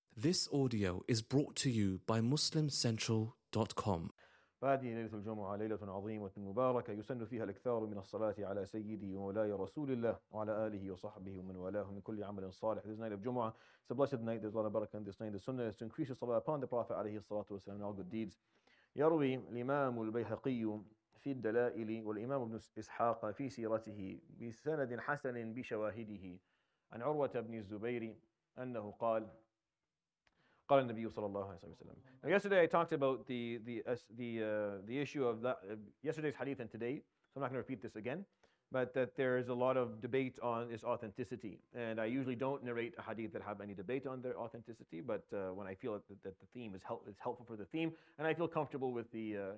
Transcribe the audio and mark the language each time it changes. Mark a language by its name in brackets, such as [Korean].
[English] This audio is brought to you by MuslimCentral.com. [Arabic] هذه ليلة الجمعة ليلة عظيمة مباركة يسن فيها الأكثار من الصلاة على سيدي ومولاي رسول الله وعلى آله وصحبه ومن والاه من كل عمل صالح. [English] This night of Jumu'ah, it's a blessed night. There's a lot of barakah in this night. The sunnah is to increase the salah upon the Prophet عليه الصلاة والسلام and all good deeds. [Arabic] يروي الإمام البيهقي في الدلائل والإمام ابن إسحاق في سيرته بسند حسن بشواهده عن عروة بن الزبير أنه قال قال النبي صلى الله عليه وسلم. [English] Now yesterday I talked about the issue of that, yesterday's hadith and today, so I'm not going to repeat this again, but that there is a lot of debate on its authenticity, and I usually don't narrate a hadith that have any debate on their authenticity, but when I feel that the theme is it's helpful for the theme, and I feel comfortable with the